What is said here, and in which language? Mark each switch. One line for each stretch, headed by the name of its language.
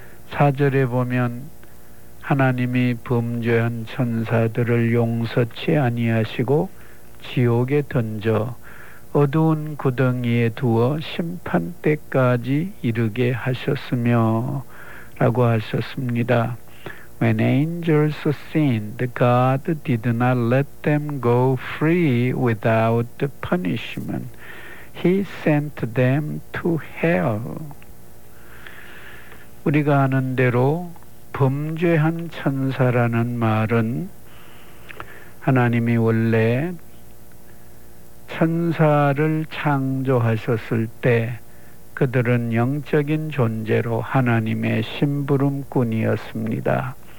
Korean: 4절에 보면 하나님이 범죄한 천사들을 용서치 아니하시고 지옥에 던져 어두운 구덩이에 두어 심판 때까지 이르게 하셨으며 라고 하셨습니다.
English: When angels sinned, God did not let them go free without punishment. He sent them to hell.
Korean: 우리가 아는 대로 범죄한 천사라는 말은 하나님이 원래 천사를 창조하셨을 때 그들은 영적인 존재로 하나님의 심부름꾼이었습니다.